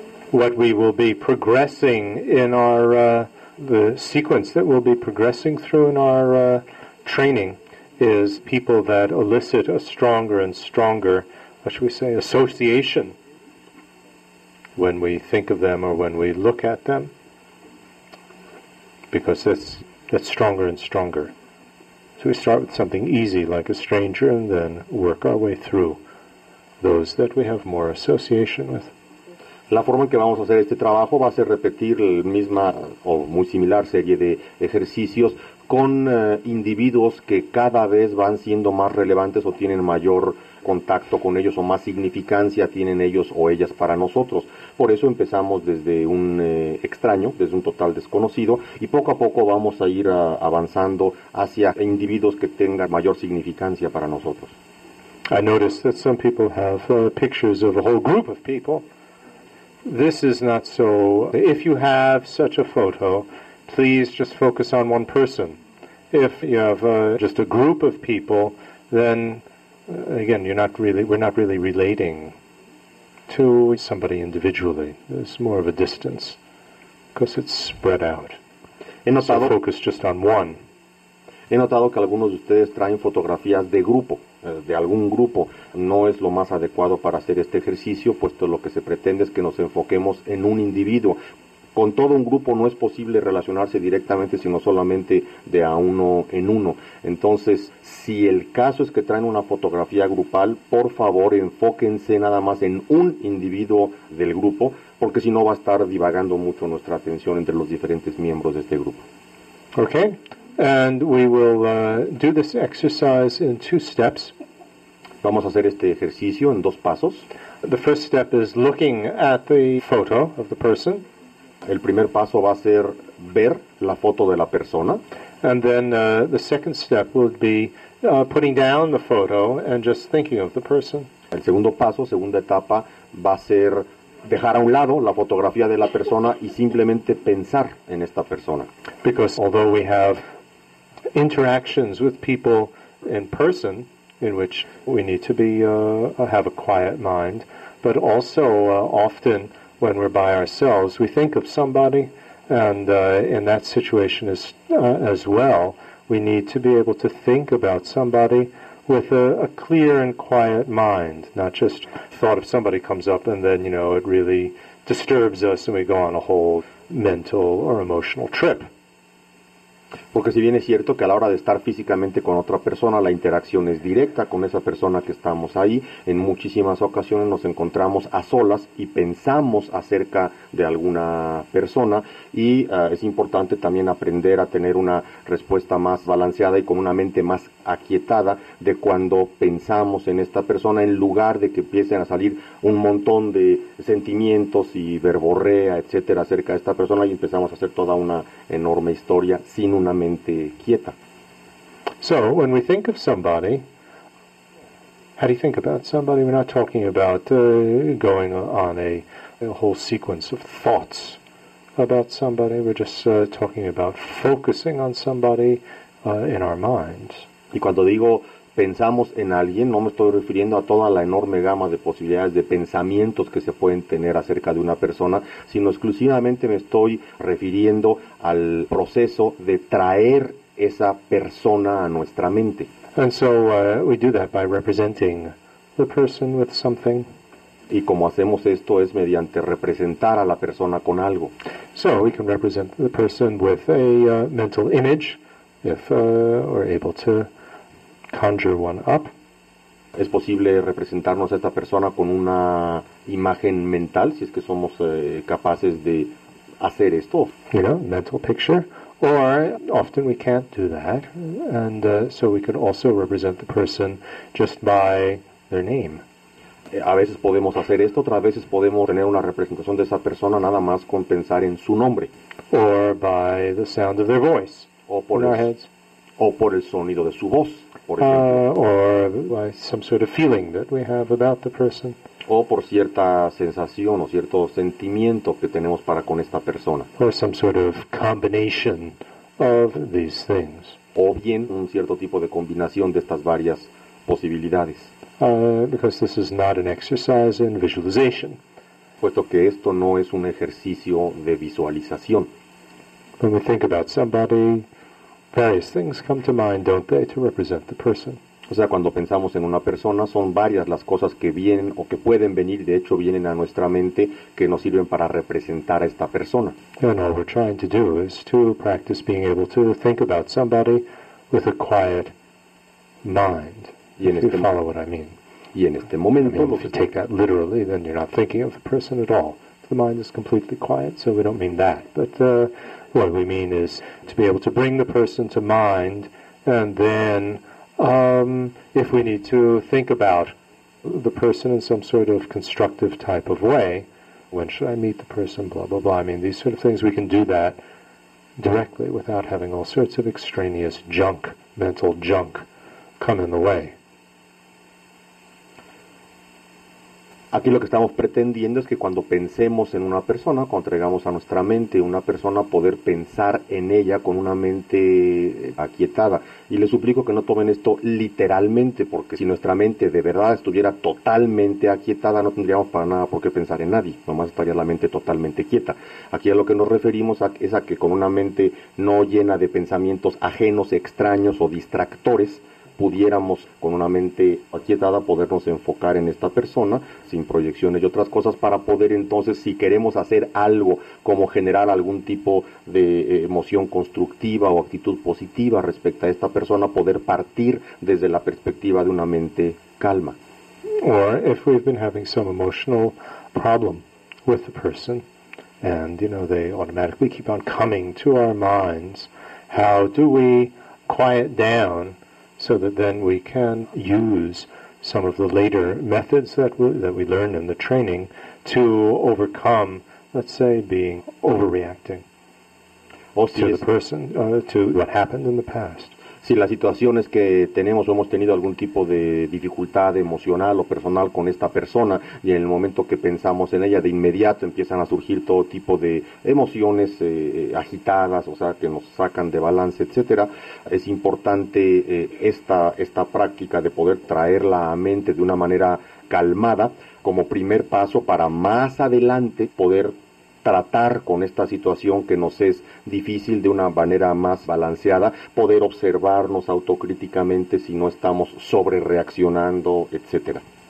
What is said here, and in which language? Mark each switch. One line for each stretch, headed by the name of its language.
English: What we will be progressing in our, the sequence that we'll be progressing through in our training is people that elicit a stronger and stronger, what should we say, association when we think of them or when we look at them, because that's stronger and stronger. So we start with something easy like a stranger and then work our way through those that we have more association with.
Spanish: La forma en que vamos a hacer este trabajo va a ser repetir la misma o muy similar serie de ejercicios con individuos que cada vez van siendo más relevantes o tienen mayor contacto con ellos o más significancia tienen ellos o ellas para nosotros. Por eso empezamos desde un extraño, desde un total desconocido, y poco a poco vamos a ir avanzando hacia individuos que tengan mayor significancia para nosotros.
English: I noticed that some people have pictures of a whole group of people. This is not so. If you have such a photo, please just focus on one person. If you have just a group of people, then again, we're not really relating to somebody individually. There's more of a distance because it's spread out. So focus just on one.
Spanish: He notado que algunos de ustedes traen fotografías de grupo, de algún grupo. No es lo más adecuado para hacer este ejercicio, puesto lo que se pretende es que nos enfoquemos en un individuo. Con todo un grupo no es posible relacionarse directamente, sino solamente de a uno en uno. Entonces, si el caso es que traen una fotografía grupal, por favor, enfóquense nada más en un individuo del grupo, porque si no va a estar divagando mucho nuestra atención entre los diferentes miembros de este grupo.
English: Ok. And we will do this exercise in two steps.
Spanish: Vamos a hacer este ejercicio en dos pasos.
English: The first step is looking at the photo of the person.
Spanish: El primer paso va a ser ver la foto de la persona.
English: And then the second step will be putting down the photo and just thinking of the person.
Spanish: El segundo paso, segunda etapa, va a ser dejar a un lado la fotografía de la persona y simplemente pensar en esta persona.
English: Because although we have interactions with people in person, in which we need to be have a quiet mind, but also often when we're by ourselves, we think of somebody, and in that situation as well, we need to be able to think about somebody with a clear and quiet mind, not just thought of somebody comes up and then, you know, it really disturbs us and we go on a whole mental or emotional trip.
Spanish: Porque si bien es cierto que a la hora de estar físicamente con otra persona, la interacción es directa con esa persona que estamos ahí, en muchísimas ocasiones nos encontramos a solas y pensamos acerca de alguna persona, y es importante también aprender a tener una respuesta más balanceada y con una mente más aquietada de cuando pensamos en esta persona, en lugar de que empiecen a salir un montón de sentimientos y verborrea, etcétera, acerca de esta persona, y empezamos a hacer toda una enorme historia sin una mente quieta.
English: So, when we think of somebody, how do you think about somebody? We're not talking about going on a whole sequence of thoughts about somebody. We're just talking about focusing on somebody in our minds.
Spanish: Y cuando digo pensamos en alguien, no me estoy refiriendo a toda la enorme gama de posibilidades de pensamientos que se pueden tener acerca de una persona, sino exclusivamente me estoy refiriendo al proceso de traer esa persona a nuestra mente.
English: And so we do that by representing the person with something.
Spanish: Y como hacemos esto es mediante representar a la persona con algo.
English: So we can represent the person with a mental image, if we're able to conjure one up.
Spanish: Es posible representarnos a esta persona con una imagen mental, si es que somos capaces de hacer esto.
English: You know, mental picture. Or often we can't do that, and so we could also represent the person just by their name.
Spanish: A veces podemos hacer esto, otras veces podemos tener una representación de esa persona nada más con pensar en su nombre.
English: Or by the sound of their voice.
Spanish: O por el sonido de su voz, por ejemplo.
English: Or by some sort of feeling that we have about the person.
Spanish: O por cierta sensación o cierto sentimiento que tenemos para con esta persona.
English: Or some sort of combination of these things.
Spanish: O bien un cierto tipo de combinación de estas varias posibilidades.
English: Because this is not an exercise in visualization.
Spanish: Puesto que esto no es un ejercicio de visualización.
English: When we think about somebody, various things come to mind, don't they, to represent the person.
Spanish: O sea, cuando pensamos en una persona, son varias las cosas que vienen o que pueden venir, de hecho vienen a nuestra mente, que nos sirven para representar a esta persona.
English: And all we're trying to do is to practice being able to think about somebody with a quiet mind, follow what I mean.
Spanish: Y en este momento,
English: if you take that literally, then you're not thinking of the person at all. The mind is completely quiet, so we don't mean that, but what we mean is to be able to bring the person to mind, and then if we need to think about the person in some sort of constructive type of way, when should I meet the person, blah, blah, blah. I mean, these sort of things, we can do that directly without having all sorts of extraneous junk, mental junk, come in the way.
Spanish: Aquí lo que estamos pretendiendo es que cuando pensemos en una persona, cuando traigamos a nuestra mente una persona, poder pensar en ella con una mente aquietada. Y les suplico que no tomen esto literalmente, porque si nuestra mente de verdad estuviera totalmente aquietada, no tendríamos para nada por qué pensar en nadie. Nomás estaría la mente totalmente quieta. Aquí a lo que nos referimos es a que con una mente no llena de pensamientos ajenos, extraños o distractores, pudiéramos con una mente aquietada podernos enfocar en esta persona sin proyecciones y otras cosas para poder entonces, si queremos hacer algo como generar algún tipo de emoción constructiva o actitud positiva respecto a esta persona, poder partir desde la perspectiva de una mente calma.
English: Or if we've been having some emotional problem with the person and, you know, they automatically keep on coming to our minds, how do we quiet down so that then we can use some of the later methods that we learned in the training to overcome, let's say, being overreacting to the person, to what happened in the past.
Spanish: si la situación es que tenemos o hemos tenido algún tipo de dificultad emocional o personal con esta persona, y en el momento que pensamos en ella, de inmediato empiezan a surgir todo tipo de emociones agitadas, o sea, que nos sacan de balance, etcétera, es importante esta práctica de poder traerla a mente de una manera calmada como primer paso para más adelante poder tratar con esta situación que nos es difícil de una manera más balanceada, poder observarnos autocríticamente si no estamos sobre reaccionando, etcétera.